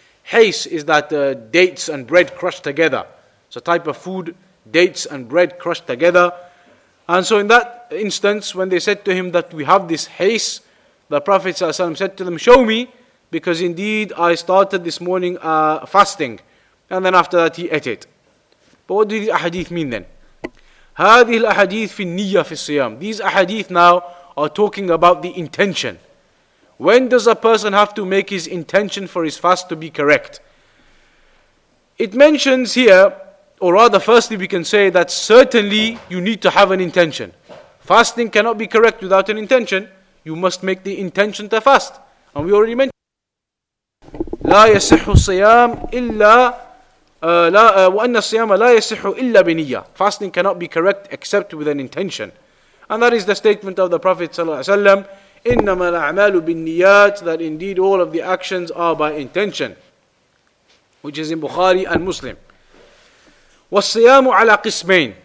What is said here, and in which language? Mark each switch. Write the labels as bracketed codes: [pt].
[en] Hays is that dates and bread crushed together. It's a type of food, dates and bread crushed together. And so in that instance, when they said to him that we have this hays, the Prophet ﷺ said to them, show me, because indeed I started this morning fasting. And then after that he ate it. But what do these ahadith mean then? [ar] هذه الأحاديث في النية في الصيام. [en] These ahadith now are talking about the intention. When does a person have to make his intention for his fast to be correct? It mentions here, or rather firstly we can say that certainly you need to have an intention. Fasting cannot be correct without an intention. You must make the intention to fast. And we already mentioned, [ar] لا يصح الصيام إلا وأن الصيام لا يصح إلا بنية. [en] Fasting cannot be correct except with an intention. And that is the statement of the Prophet ﷺ, [ar] إِنَّمَا الْأَعْمَالُ بِالنِّيَاتِ, [en] that indeed all of the actions are by intention. Which is in Bukhari and Muslim. [ar] وَالصِّيَامُ عَلَى قِسْمَيْنِ.